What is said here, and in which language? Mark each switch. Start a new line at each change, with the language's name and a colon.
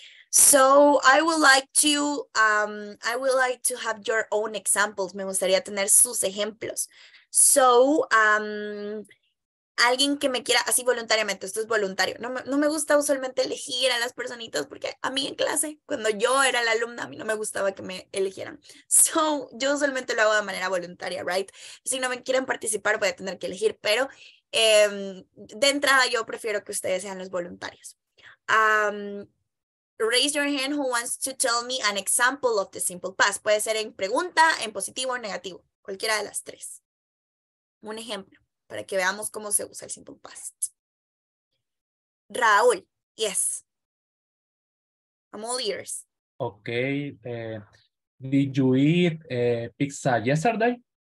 English: So I would like to have your own examples.
Spanish: Me gustaría tener sus ejemplos. So alguien que me quiera así voluntariamente, esto es voluntario. No me gusta usualmente elegir a las personitas porque a mí en clase, cuando yo era la alumna, a mí no me gustaba que me eligieran. So yo usualmente lo hago de manera voluntaria, right? Si no me quieren participar, voy a tener que elegir, pero de entrada yo prefiero que ustedes sean los voluntarios.
English: Raise your hand who wants to tell me an example of the simple past.
Spanish: Puede ser en pregunta, en positivo o negativo. Cualquiera de las tres. Un ejemplo para que veamos cómo se usa el simple past.
English: Raúl, yes. I'm all ears. Okay. Did you eat pizza yesterday?